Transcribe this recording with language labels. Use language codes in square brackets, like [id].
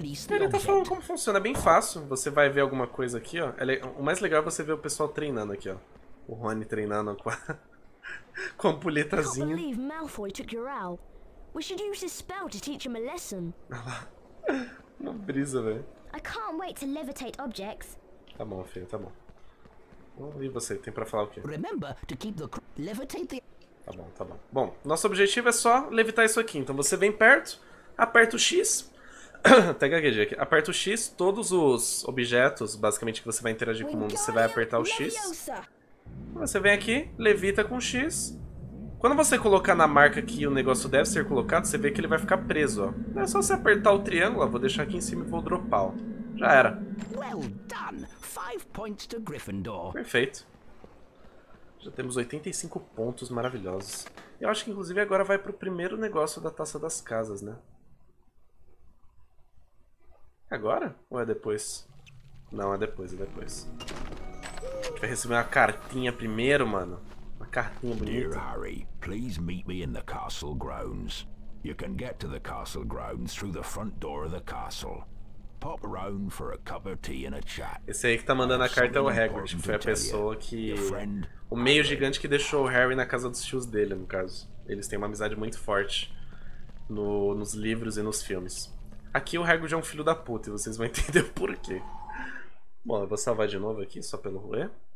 [pt] Ele tá falando como funciona, é bem fácil. Você vai ver alguma coisa aqui, ó. O mais legal é você ver o pessoal treinando aqui, ó. O Rony treinando com a com a ampulhetazinha. Eu não acredito que Malfoy tomou o Al. [en] We should use his spell to teach him a lesson. [pt] Uma brisa, velho. [en] I can't wait to levitate objects. [pt] Tá bom, filho, tá bom. E você, tem pra falar o quê? [en] Remember to keep the levitate the. [pt] Tá bom, tá bom. Bom, nosso objetivo é só levitar isso aqui. Então você vem perto, aperta o X. Até gaguejei aqui. Aperta o X, todos os objetos, basicamente, que você vai interagir com o mundo, você vai apertar o X. Você vem aqui, levita com o X. Quando você colocar na marca que o negócio deve ser colocado, você vê que ele vai ficar preso, ó. É só você apertar o triângulo, ó. Vou deixar aqui em cima e vou dropar, ó. Já era. [en] Well done. 5 points to Gryffindor. [pt] Perfeito. Já temos 85 pontos maravilhosos. Eu acho que, inclusive, agora vai pro primeiro negócio da Taça das Casas, né? É agora? Ou é depois? Não, é depois, é depois. A gente vai receber uma cartinha primeiro, mano. [en] Dear Harry, please meet me in the castle grounds. You can get to the castle grounds through the front door of the castle. Pop around for a cup of tea and a chat. [pt] Esse aí que tá mandando a carta é o Hagrid, que foi a pessoa que... O meio gigante que deixou o Harry na casa dos tios dele, no caso. Eles têm uma amizade muito forte nos livros e nos filmes. Aqui o Hagrid é um filho da puta e vocês vão entender o porquê. Bom, eu vou salvar de novo aqui, só pelo rolê.